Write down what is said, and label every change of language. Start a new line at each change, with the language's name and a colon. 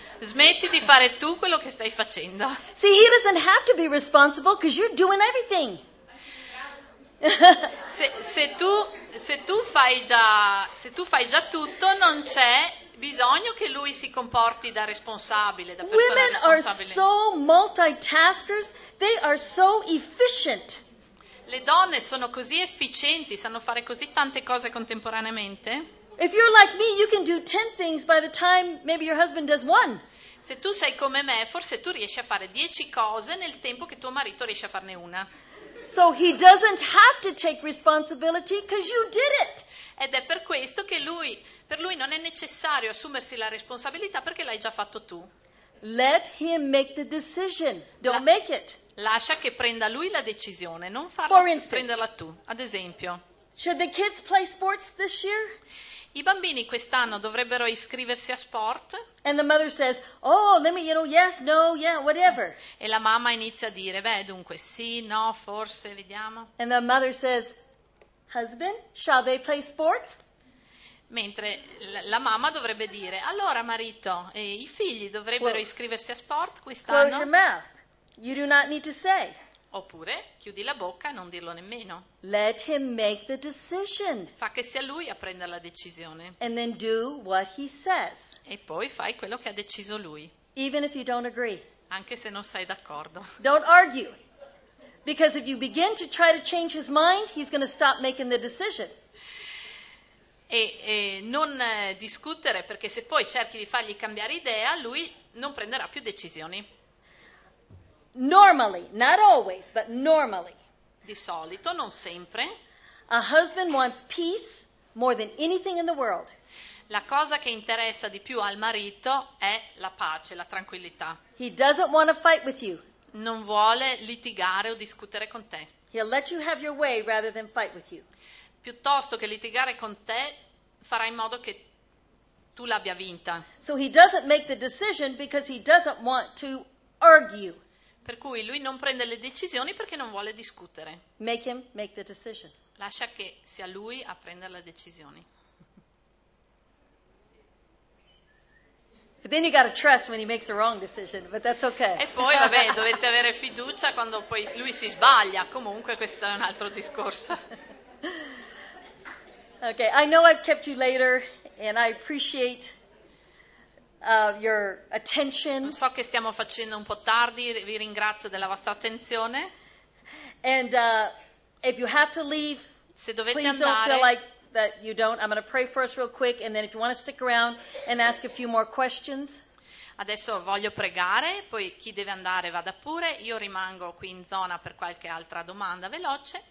Italian: Smetti di fare tu quello che stai facendo.
English: See, he doesn't have to be responsible because you're doing everything.
Italian: se tu fai già tutto, non c'è bisogno che lui si comporti da responsabile, da persona
English: Women
Italian: responsabile.
English: Women are so multitaskers, they are so efficient.
Italian: Le donne sono così efficienti, sanno fare così tante cose contemporaneamente.
English: If you're like me, you can do 10 things by the time maybe your husband does one.
Italian: Se tu sei come me, forse tu riesci a fare 10 cose nel tempo che tuo marito riesce a farne una.
English: So he doesn't have to take responsibility because you did it.
Italian: Ed è per questo che per lui non è necessario assumersi la responsabilità perché l'hai già fatto tu.
English: Let him make the decision. Don't make it.
Italian: Lascia che prenda lui la decisione, non farla prenderla tu. Ad esempio,
English: should the kids play sports this year?
Italian: I bambini quest'anno dovrebbero iscriversi a sport?
English: And the mother says, oh, let me, you know, yes, no, yeah, whatever.
Italian: E la mamma inizia a dire, beh, dunque, sì, no, forse, vediamo.
English: And the mother says, husband, shall they play sports?
Italian: Mentre la mamma dovrebbe dire, allora, marito, i figli dovrebbero iscriversi a sport quest'anno?
English: Close your mouth. You do not need to say.
Italian: Oppure, chiudi la bocca e non dirlo nemmeno.
English: Let him make the decision.
Italian: Fa che sia lui a prendere la decisione.
English: And then do what he says.
Italian: E poi fai quello che ha deciso lui.
English: Even if you don't agree.
Italian: Anche se non sei d'accordo.
English: Don't argue. Because if you begin to try to change his mind, he's going to stop making the decision.
Italian: E non discutere, perché se poi cerchi di fargli cambiare idea, lui non prenderà più decisioni.
English: Normally, not always, but normally.
Italian: Di solito, non sempre.
English: A husband wants peace more than anything in the world.
Italian: La cosa che interessa di più al marito è la pace, la tranquillità.
English: He doesn't want to fight with you.
Italian: Non vuole litigare o discutere con te.
English: He'll let you have your way rather than fight with you.
Italian: Piuttosto che litigare con te, farà in modo che tu l'abbia vinta.
English: So he doesn't make the decision because he doesn't want to argue.
Italian: Per cui lui non prende le decisioni perché non vuole discutere.
English: Make him make the decision.
Italian: Lascia che sia lui a prendere le decisioni.
English: But then you gotta trust when he makes the wrong decision, but that's okay.
Italian: E poi vabbè, dovete avere fiducia quando poi lui si sbaglia. Comunque questo è un altro discorso.
English: Okay, I know I've kept you later and I appreciate your attention.
Italian: So che stiamo facendo un po' tardi, vi ringrazio della vostra attenzione.
English: And if you have to leave,
Italian: se dovete
English: please
Italian: andare,
English: don't feel like that you don't. I'm going to pray for us real quick, and then if you want to stick around and ask a few more questions.
Italian: Adesso voglio pregare, poi chi deve andare vada pure. Io rimango qui in zona per qualche altra domanda veloce.